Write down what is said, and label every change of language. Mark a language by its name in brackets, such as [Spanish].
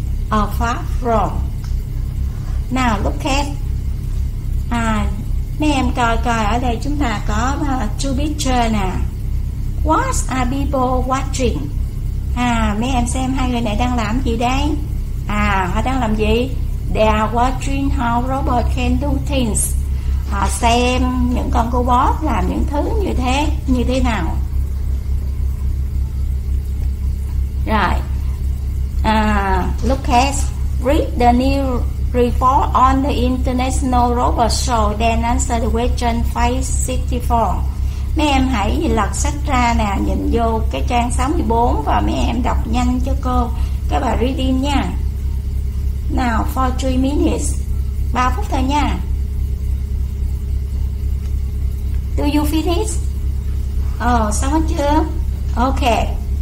[English] Apart from. Now look at. [Vietnamese] À, mấy em coi coi. Ở đây chúng ta có [English] two picture nè. What are people watching? [Vietnamese] À, mấy em xem hai người này đang làm gì đây? À, họ đang làm gì? [English] They are watching how robots can do things. [Vietnamese] Họ xem những con robot làm những thứ như thế, như thế nào. [English] Right. Look at, read the new report on the International Robot Show, then answer the question 564. [Vietnamese] Mấy em hãy lật sách ra nè, nhìn vô cái trang 64 và mấy em đọc nhanh cho cô cái bài reading nha. [English] Now, for 3 minutes. [Vietnamese] 3 phút thôi nha. [English] Do you finish? [Vietnamese] Xong hết chưa? [English] Okay.